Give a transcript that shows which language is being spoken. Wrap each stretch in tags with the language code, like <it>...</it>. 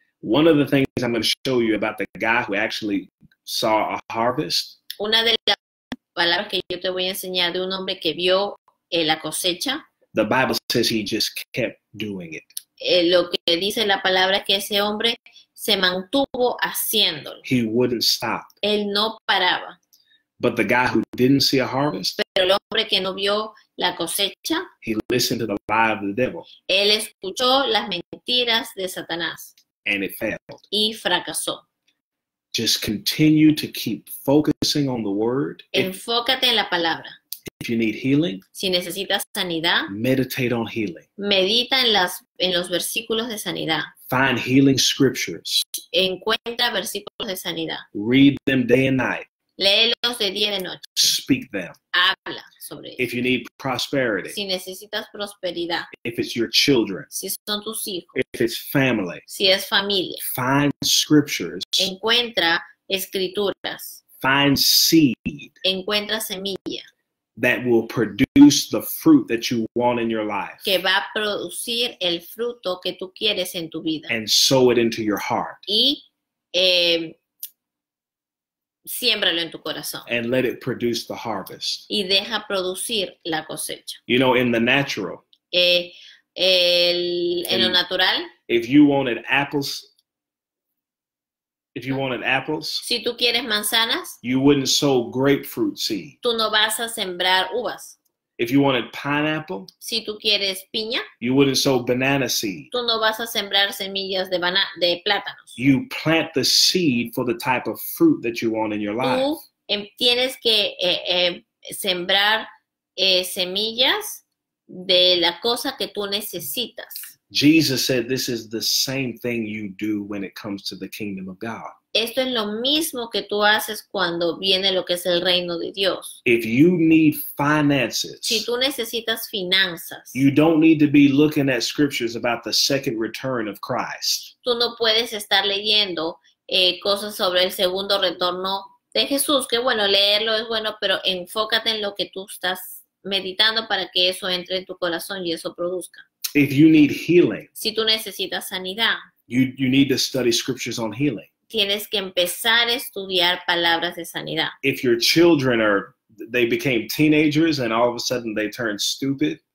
<en>One of the things I'm going to show you about the guy who actually saw a harvest.</en> <es>Una de las palabras que yo te voy a enseñar de un hombre que vio la cosecha.</es> <en>The Bible says he just kept doing it.</en> <es>Lo que dice la palabra es que ese hombre se mantuvo haciéndolo.</es> <en>He wouldn't stop.</en> <es>Él no paraba.</es> <en>But the guy who didn't see a harvest.</en> <es>Pero el hombre que no vio la cosecha.</es> <en>He listened to the lie of the devil.</en> <es>Él escuchó las mentiras de Satanás.</es> <en>And it failed.</en> <es>Y fracasó.</es> <en>Just continue to keep focusing on the word.</en> <es>Enfócate en la palabra.</es> <en>If you need healing,</en> <es>si necesitas sanidad,</es> <en>meditate on healing.</en> <es>Medita en los versículos de sanidad.</es> <en>Find healing scriptures.</en> <es>Encuentra versículos de sanidad.</es> <en>Read them day and night.</en> <es>Léelos de día y de noche.</es> <en>Speak them.</en> <es>Habla sobre ellos.</es> <en>If you need prosperity,</en> <es>si necesitas prosperidad.</es> <en>If it's your children,</en> <es>si son tus hijos.</es> <en>If it's family,</en> <es>si es familia.</es> <en>Find scriptures.</en> <es>Encuentra escrituras.</es> <en>Find seed.</en> <es>Encuentra semilla.</es> <en>That will produce the fruit that you want in your life.</en> <es>Que va a producir el fruto que tú quieres en tu vida.</es> <en>And sow it into your heart.</en> <es>Y siémbralo en tu corazón.</es> <en>And let it produce the harvest.</en> <es>Y deja producir la cosecha.</es> <en>You know, in the natural.</en> <es>En lo natural.</es> <en>If you wanted apples,</en> <es>si tú quieres manzanas,</es> <en>you wouldn't sow grapefruit seed.</en> <es>Tú no vas a sembrar uvas.</es> <en>If you wanted pineapple,</en> <es>si tú quieres piña,</es> <en>you wouldn't sow banana seed.</en> <es>Tú no vas a sembrar semillas de plátanos.</es> <en>You plant the seed for the type of fruit that you want in your life.</en> <es>Tú tienes que sembrar semillas de la cosa que tú necesitas.</es> <en>Jesus said this is the same thing you do when it comes to the kingdom of God.</en> <es>Esto es lo mismo que tú haces cuando viene lo que es el reino de Dios.</es> <en>If you need finances,</en> <es>si tú necesitas finanzas,</es> <en>you don't need to be looking at scriptures about the second return of Christ.</en> <es>Tú no puedes estar leyendo cosas sobre el segundo retorno de Jesús. Qué bueno, leerlo es bueno, pero enfócate en lo que tú estás meditando para que eso entre en tu corazón y eso produzca.</es> <en>If you need healing,</en> <es>si tú necesitas sanidad,</es> <en>you need to study scriptures on healing.</en> <es>Tienes que empezar a estudiar palabras de sanidad.</es> <en>If your children are, they became teenagers and all of a sudden they turned stupid.</en>